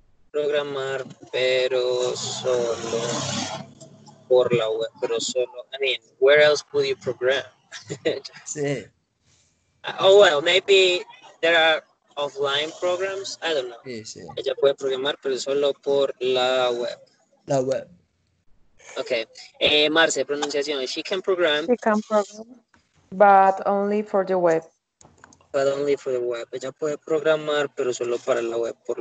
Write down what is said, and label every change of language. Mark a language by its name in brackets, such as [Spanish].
[Spanish] Programar, pero solo por la web, pero solo. [English] I mean, where else could you program? [Spanish] Sí. [English] Oh, well, maybe there are offline programs. I don't know. [Spanish] Sí. Ella puede programar, pero solo por la web. La web. [English] Okay. Marce, pronunciation. She can program. She can program, but only for the web. But only for the web. [Spanish] Ella puede programar, pero solo para la web.